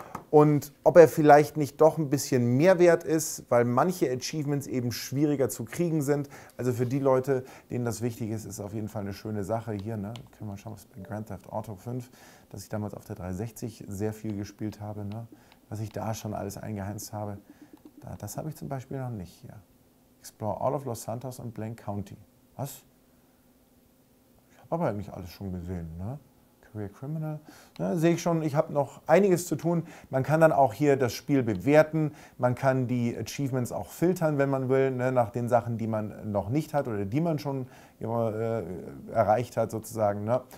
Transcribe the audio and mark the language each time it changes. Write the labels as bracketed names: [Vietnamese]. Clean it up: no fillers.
[German] Und ob er vielleicht nicht doch ein bisschen mehr wert ist, weil manche Achievements eben schwieriger zu kriegen sind. Also für die Leute, denen das wichtig ist, ist auf jeden Fall eine schöne Sache hier. Ne? Können wir mal schauen, was bei Grand Theft Auto 5, dass ich damals auf der 360 sehr viel gespielt habe. Ne? Was ich da schon alles eingeheimst habe. Da, das habe ich zum Beispiel noch nicht hier. [English] Explore all of Los Santos and Blaine County. [German] Was? Ich habe aber eigentlich alles schon gesehen, ne? Career Criminal, ja, sehe ich schon, ich habe noch einiges zu tun. Man kann dann auch hier das Spiel bewerten, man kann die Achievements auch filtern, wenn man will, ne, nach den Sachen, die man noch nicht hat oder die man schon erreicht hat sozusagen. Ne.